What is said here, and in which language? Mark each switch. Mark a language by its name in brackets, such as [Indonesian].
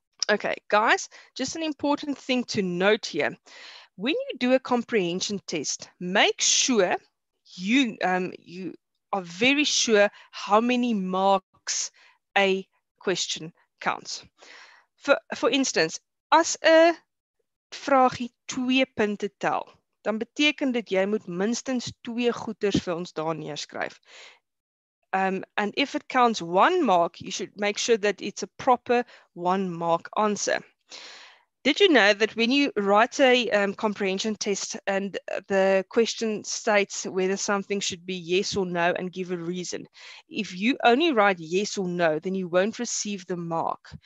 [English] Okay, guys, just an important thing to note here. When you do a comprehension test, make sure you are very sure how many marks a question counts. [Afrikaans] For instance, as 'n vragie 2 punte tel, dan beteken dit jy moet minstens 2 goeters vir ons daar neerskryf. [English] And if it counts 1 mark, you should make sure that it's a proper 1 mark answer. Did you know that when you write a comprehension test and the question states whether something should be yes or no and give a reason, if you only write yes or no, then you won't receive the mark.